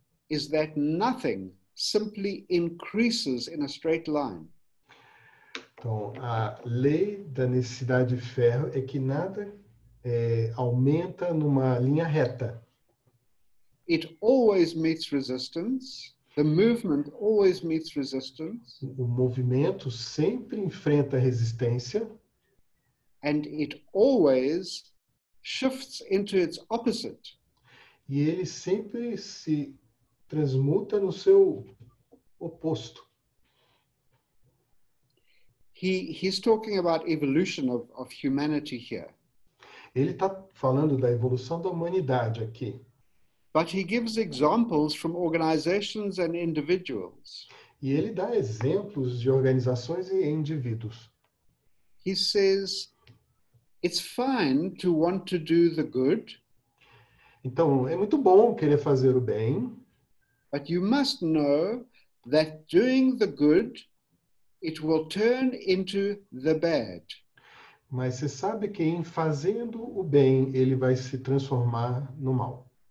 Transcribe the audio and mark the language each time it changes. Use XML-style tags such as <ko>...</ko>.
<en>is that nothing simply increases in a straight line.</en> <pt>Então, a lei da necessidade de ferro é que nada aumenta numa linha reta.</pt> <en>It always meets resistance. The movement always meets resistance.</en> <pt>O movimento sempre enfrenta resistência.</pt> <en>And it always shifts into its opposite.</en> <pt>E ele sempre se transmuta no seu oposto.</pt> <en>He's talking about evolution of humanity here.</en> <pt>Ele está falando da evolução da humanidade aqui.</pt> <en>But he gives examples from organizations and individuals.</en> <pt>E ele dá exemplos de organizações e indivíduos.</pt> <en>He says, it's fine to want to do the good.</en> <pt>Então, é muito bom querer fazer o bem.</pt> <en>But you must know that doing the good, it will turn into the bad.</en> <pt>Mas você sabe que em fazendo o bem, ele vai se transformar no mal.</pt>